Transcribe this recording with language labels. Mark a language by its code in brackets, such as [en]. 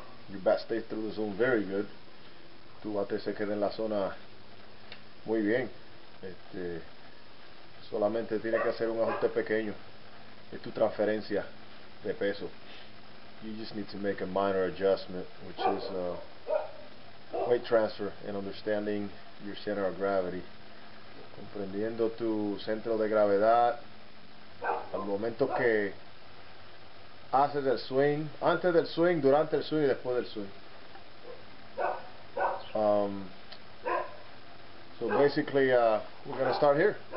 [en] Your bat stays through the zone very good. [es] Tu bate se queda en la zona muy bien. Solamente tiene que hacer un ajuste pequeño. Es tu transferencia de peso. [en] You just need to make a minor adjustment, which is weight transfer and understanding your center of gravity. [es] Comprendiendo tu centro de gravedad, al momento que haces el swing, antes del swing, durante el swing y después del swing. [en] So basically, we're going to start here.